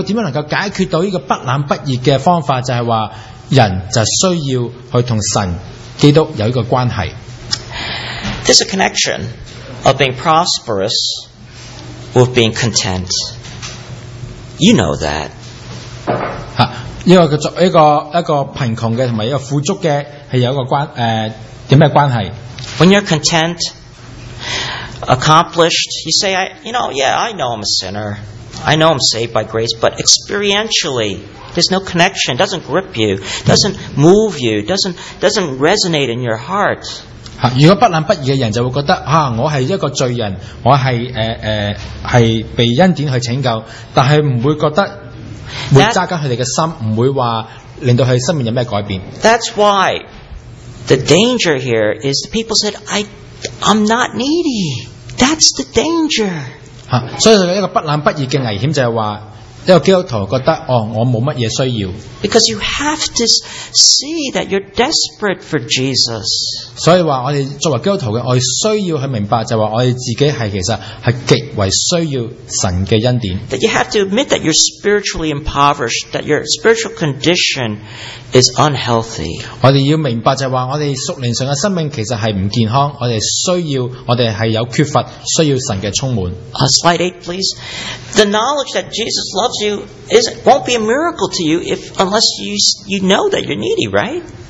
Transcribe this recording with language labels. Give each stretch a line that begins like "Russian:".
Chinese: 耶稣基督所说的就是说，唯有怎样能够解决到这个不冷不热的方法，就是说 人就需要去同神基督有一个关系。
English: There's a connection of being prosperous with being content. You know that.
Chinese: 一个贫穷的和一个富足的是有一个关系。
English: When you're content, accomplished, you say, I know I'm a sinner. I know I'm saved by grace, but experientially, there's no connection, doesn't grip you, doesn't move you, doesn't resonate in your heart.
Chinese: 如果不冷不热的人就会觉得，我是一个罪人，我是被恩典去拯救，但是不会觉得会扎紧他们的心，不会说令到他们生命有什么改变。
English: That's why the danger here is the people said, I'm not needy. That's the danger.
Chinese: 所以一个不冷不热的危险就是说，
English: Because you have to see that you're desperate for Jesus.
Chinese: 所以说我们作为基督徒的，我们需要去明白，就是说我们自己是其实是极为需要神的恩典。
English: That you have to admit that you're spiritually impoverished, that your spiritual condition is unhealthy.
Chinese: 我们要明白，就是说我们属灵上的生命其实是不健康，我们需要，我们是有缺乏，需要神的充满。
English: Slide 8, please. The knowledge that Jesus loves you won't be a miracle to you if unless you know that you're needy, right?